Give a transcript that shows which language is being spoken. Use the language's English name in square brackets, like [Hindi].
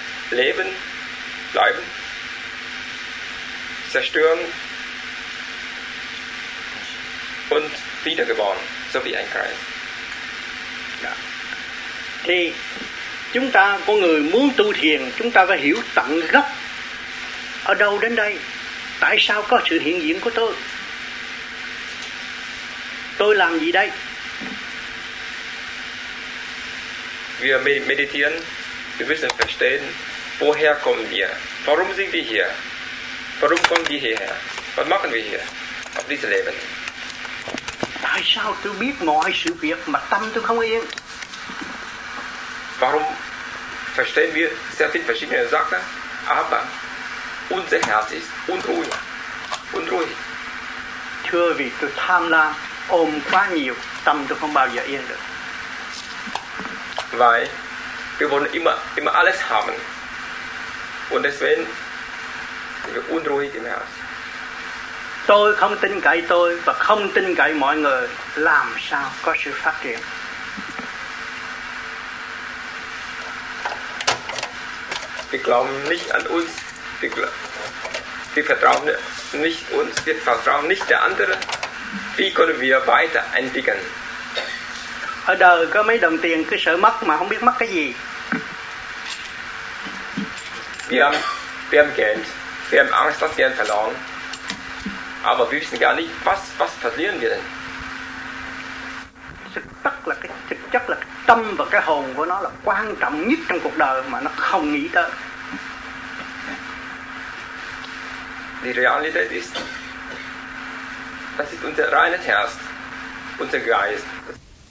[German] Leben bleiben, zerstören und wiedergeboren, so wie ein Kreis. Ja. [Vietnamese] Thì chúng ta, con người muốn tu thiền, chúng ta phải hiểu tận gốc ở đâu đến đây, tại sao có sự hiện diện của tôi. Tôi làm gì đây? [German] Wir meditieren, wir müssen verstehen, woher kommen wir? Warum sind wir hier? Warum kommen wir hierher? Was machen wir hier auf diesem Leben? [Vietnamese] Tại sao tôi biết mọi sự việc mà tâm tôi không yên? [German] Warum verstehen wir sehr viele verschiedene Sachen, aber unser Herz ist unruhig? [Vietnamese] Thưa vì tôi tham lam, ôm quá nhiều, tâm tôi không bao giờ yên được. [German] Weil wir wollen immer alles haben. Und deswegen sind wir unruhig im Herz. [Vietnamese] Tôi không tin cậy tôi và không tin cậy mọi người, làm sao có sự phát triển. [German] Wir glauben nicht an uns. Wir vertrauen nicht uns. Wir vertrauen nicht der anderen. Wie können wir weiter entwickeln? [Vietnamese] Ở đời có mấy đồng tiền cứ sợ mất mà không biết mất cái gì. [German] Wir haben Geld, wir haben Angst, dass wir ihn verloren. Aber wir wissen gar nicht, was verlieren wir denn? [Vietnamese] Thực chất là cái tâm và cái hồn của nó là quan trọng nhất trong cuộc đời mà nó không nghĩ tới. [German] Die Realität ist, das ist unser reines Herz, unser Geist. Das